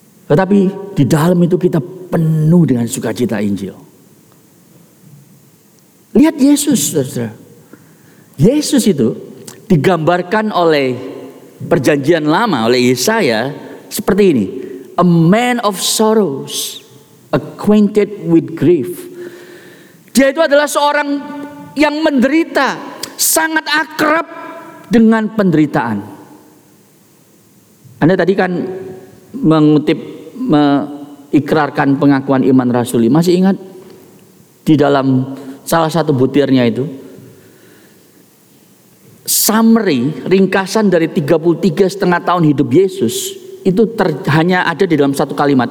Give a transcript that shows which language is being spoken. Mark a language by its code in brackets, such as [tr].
[id] Tetapi di dalam itu kita penuh dengan sukacita Injil. Lihat Yesus, saudara. Yesus itu digambarkan oleh Perjanjian Lama, oleh Yesaya, seperti ini. [en] A man of sorrows, acquainted with grief. [id] Dia itu adalah seorang yang menderita, sangat akrab dengan penderitaan. Anda tadi kan mengutip, mengikrarkan pengakuan iman rasuli. Masih ingat di dalam salah satu butirnya itu, summary, ringkasan dari 33 setengah tahun hidup Yesus itu hanya ada di dalam satu kalimat.